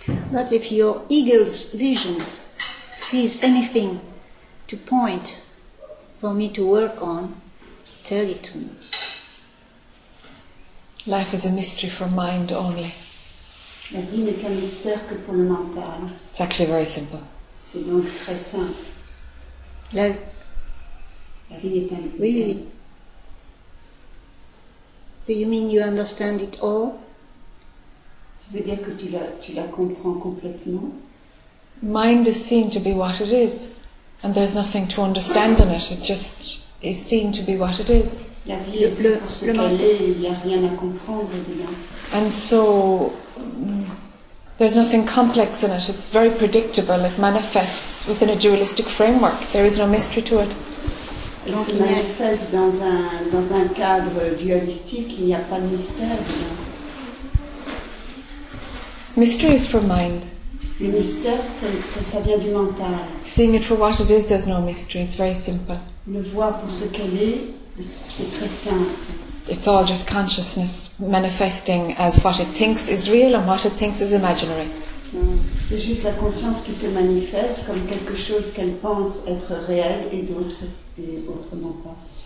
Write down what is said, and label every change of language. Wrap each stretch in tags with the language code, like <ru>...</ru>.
<en>But if your eagle's vision sees anything to point for me to work on, tell it to me. Life is a mystery for mind only.</en> <fr>La vie n'est qu'un mystère que pour le mental.</fr> <en>It's actually very simple.</en> <fr>C'est donc très simple. La vie n'est qu'un mystère.</fr> <en>Really? Do you mean you understand it all?</en> <fr>Tu veux dire que tu la comprends complètement?</fr> <en>Mind is seen to be what it is, and there's nothing to understand in it. It just is seen to be what it is.</en> <fr>La vie est bleue pour ce qu'elle est, il n'y a rien à comprendre dedans.</fr> <en>And so, there's nothing complex in it. It's very predictable. It manifests within a dualistic framework. There is no mystery to it.</en> <fr>Elle se manifeste dans un cadre dualistique. Il n'y a pas de mystère dedans.</fr> <en>Mystery is from mind.</en> <fr>Le mystère, ça vient du mental.</fr> <en>Seeing it for what it is, there's no mystery. It's very simple.</en> <fr>Le voir pour ce qu'elle est, c'est très simple.</fr> <en>It's all just consciousness manifesting as what it thinks is real and what it thinks is imaginary.</en> <fr>C'est juste la conscience qui se manifeste comme quelque chose qu'elle pense être réel et d'autres et autrement pas.</fr>